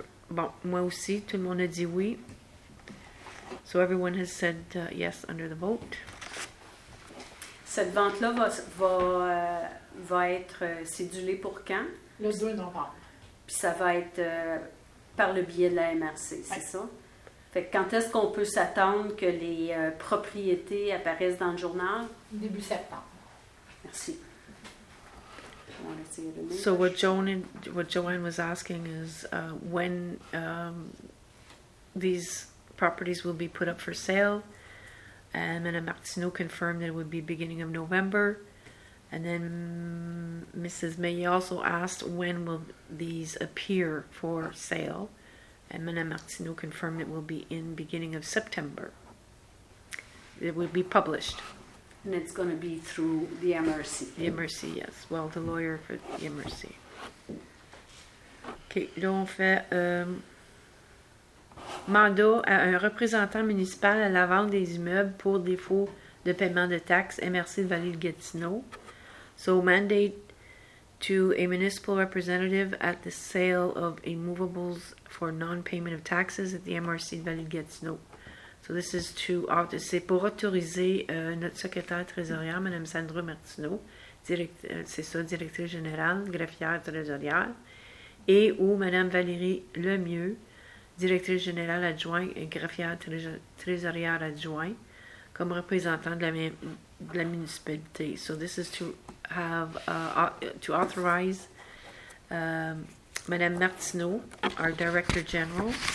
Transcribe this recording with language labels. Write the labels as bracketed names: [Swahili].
[French] Bon, moi aussi, tout le monde a dit oui. [English] So everyone has said yes under the vote. [French] Cette vente-là va être cédulée pour quand? Le 2 novembre. Puis ça va être par le biais de la MRC, c'est oui. ça? Fait que quand est-ce qu'on peut s'attendre que les propriétés apparaissent dans le journal? Début septembre. Merci. [English] So what Joanne was asking is when these properties will be put up for sale, and Madame Martineau confirmed that it would be beginning of November, and then Mrs. May also asked when will these appear for sale, and Madame Martineau confirmed it will be in beginning of September. It will be published. And it's going to be through the MRC. The MRC, yes. Well, the lawyer for the MRC. [French] OK, là, on fait mandat à un représentant municipal à la vente des immeubles pour défaut de paiement de taxes, MRC de Vallée-de-Gatineau. [English] So, mandate to a municipal representative at the sale of immovables for non-payment of taxes at the MRC de Vallée-de-Gatineau. So this is to [French] c'est pour autoriser notre secrétaire trésorière, Mme Sandra Martineau, directrice générale, greffière trésorière, et ou Mme Valérie Lemieux, directrice générale adjointe et greffière trésorière adjointe, comme représentante de la municipalité. [English] So this is to have to authorize Mme Martineau, our director general.